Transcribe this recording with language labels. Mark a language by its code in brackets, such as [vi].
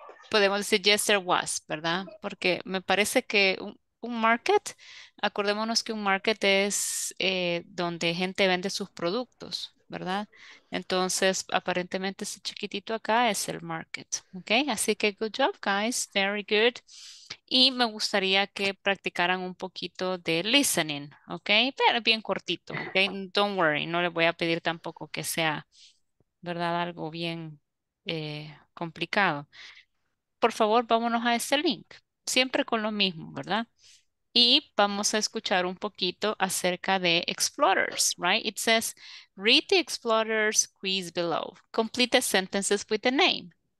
[es] Podemos decir yes, there was, ¿verdad? Porque me parece que un market, acordémonos que un market es donde gente vende sus productos, ¿verdad? Entonces, aparentemente ese chiquitito acá es el market, ¿ok? [en] Así que good job, guys, very good. [es] Y me gustaría que practicaran un poquito de listening, ¿ok? Pero bien cortito, ¿ok? Don't worry, no les voy a pedir tampoco que sea, ¿verdad? Algo bien complicado. Por favor, vámonos a este link, siempre con lo mismo, ¿verdad? Y vamos a escuchar un poquito acerca de explorers, right? [en] It says, read the explorers quiz below. Complete the sentences with the name.